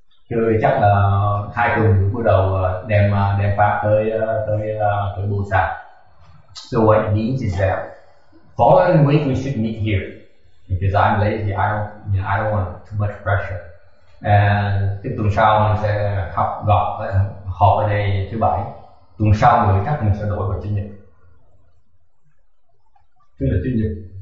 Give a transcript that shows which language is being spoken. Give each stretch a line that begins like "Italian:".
Vietnamese: Thì chắc là hai tuần bắt đầu đem pháp tới Bosa.
English: So what it means is that following week we should meet here because I'm lazy. I don't want too much pressure.
Vietnamese: And tiếp tuần sau mình sẽ họp ở đây thứ bảy. Tuần sau mình chắc mình sẽ đổi vào chủ nhật. Tức là chủ nhật